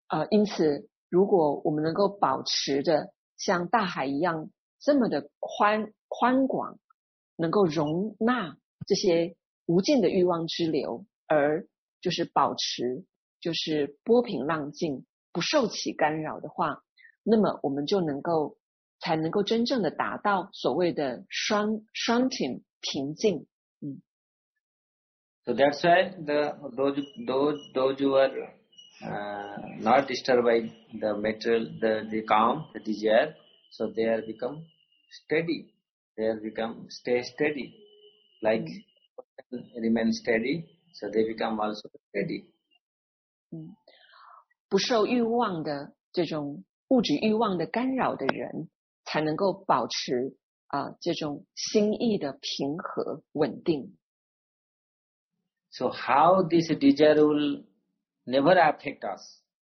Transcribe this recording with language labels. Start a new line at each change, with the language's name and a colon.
Chinese: 因此如果我们能够保持着像大海一样这么的宽广，能够容纳这些无尽的欲望之流，而就是保持就是波平浪静，不受其干扰的话，那么我们就能够才能够真正的达到所谓的shanti平静。
English: So that's why those who areNot disturbed by the material, the calm, the desire, so they are become steady. They are become stay steady, like remain steady, so they become also steady.
Chinese: 不受欲望的这种物质欲望的干扰的人，才能够保持这种心意的平和稳定。
English: So how this desire will? Never affect us.